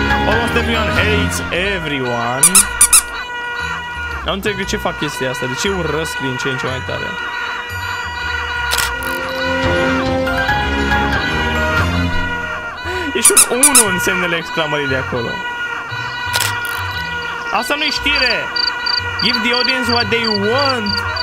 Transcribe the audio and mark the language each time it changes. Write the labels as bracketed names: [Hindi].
[English] Almost everyone hates everyone. [Romanian] Nu înțeleg ce fac chestia asta. De ce urăsc din ce în ce mai tare? E și un 1 în semnele exclamării de acolo. Asta nu-i știre! [English] Give the audience what they want!